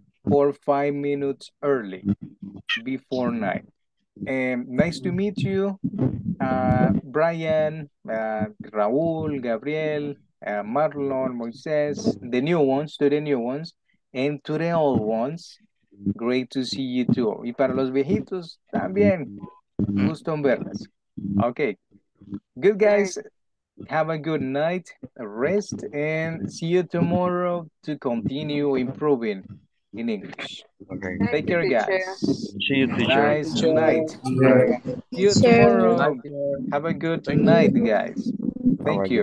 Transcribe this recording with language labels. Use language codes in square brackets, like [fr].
[en] for 5 minutes early before 9. Nice to meet you, Brian, Raul, Gabriel, Marlon, Moises, the new ones, and to the old ones, great to see you too. [es] Y para los viejitos, también, gusto en verlas. [en] Okay, good guys. Have a good night, rest, and see you tomorrow to continue improving in English. Okay. Take care, guys. See you, teacher. Nice night. See you tomorrow. Have a good night, guys. Thank you.